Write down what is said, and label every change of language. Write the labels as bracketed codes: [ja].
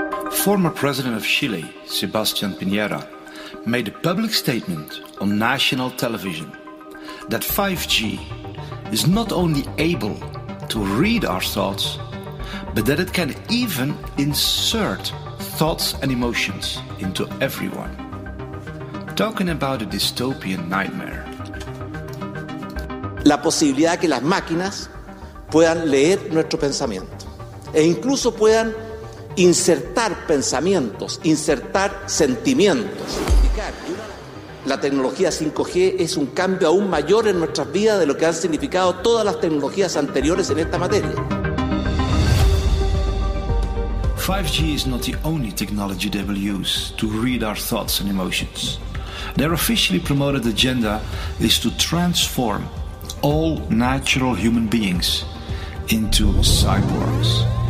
[en] Former president of Chile, Sebastián Piñera, made a public statement on national television that 5G is not only able to read our thoughts, but that it can even insert thoughts and emotions into everyone. Talking about a dystopian nightmare. [es] La posibilidad que las máquinas puedan leer nuestro pensamiento e incluso puedan insertar pensamientos, insertar sentimientos. La tecnología 5G es un cambio aún mayor en nuestras vidas de lo que han significado todas las tecnologías anteriores en esta materia. [en] 5G is not the only technology they will use to read our thoughts and emotions. Their officially promoted agenda is to transform all natural human beings into cyborgs.